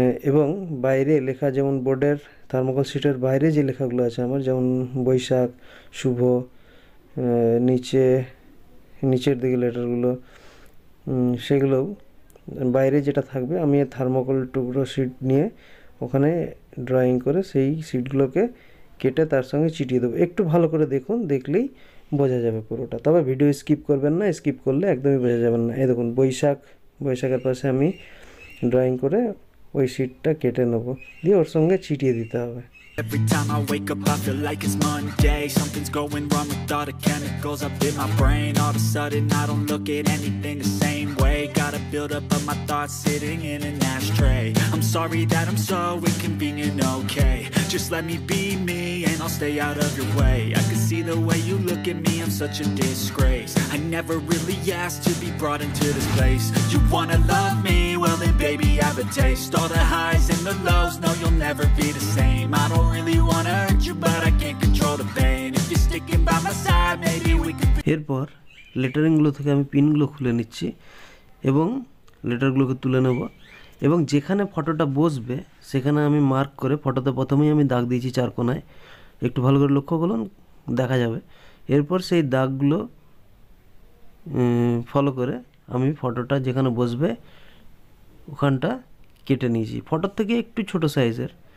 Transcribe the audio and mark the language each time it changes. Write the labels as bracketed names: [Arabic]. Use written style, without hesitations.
[Bangla] এবং বাইরে লেখা, যেমন বোর্ডের থার্মোকল শিটের বাইরে যে লেখাগুলো আছে আমার, যেমন বৈশাখ, শুভ, নিচে নিচের দিকে লেটারগুলো, সেগুলো বাইরে যেটা থাকবে আমি থার্মোকল টুকরো শিট নিয়ে ওখানে ড্রয়িং করে সেই শিটগুলোকে কেটে তার সঙ্গে চিটিয়ে দেবো। একটু ভালো করে দেখুন, দেখলেই বোঝা যাবে পুরোটা। তবে ভিডিও স্কিপ করবেন না, স্কিপ করলে একদমই বোঝা যাবে না। এই দেখুন, বৈশাখ, বৈশাখের পাশে আমি ড্রয়িং করে ওই শিটটা কেটে নেব, দিয়ে ওর সঙ্গে ছিটিয়ে দিতে হবে। [English] Every time I wake up I feel like it's Monday. Something's going wrong with all the chemicals up in my brain. All of a sudden I don't look at anything the same way. Gotta build up of my thoughts sitting in an ashtray. I'm sorry that I'm so inconvenient, okay. Just let me be me and and I'll stay out of your way. I can see the way you look at me, I'm such a disgrace. I never really asked to be brought into this place. You wanna love me? Well then baby, have a taste. All the highs and the lows, no, you'll never be the same. I don't really wanna hurt you, but I can't control the pain. If you're sticking by my side, maybe we could be... [Bangla] এরপর লেটারিংগুলো থেকে আমি পিনগুলো খুলে নিচ্ছি এবং লেটারগুলোকে তুলে নেব এবং যেখানে ফটোটা বসবে সেখানে আমি মার্ক করে ফটোতে প্রথমেই আমি দাগ দিয়েছি চার কোণায়। একটু ভালো করে লক্ষ্য করুন, দেখা যাবে। এরপর সেই দাগগুলো ফলো করে আমি ফটোটা যেখানে বসবে ওখানটা কেটে নিয়েছি, ফটোর থেকে একটু ছোট সাইজের।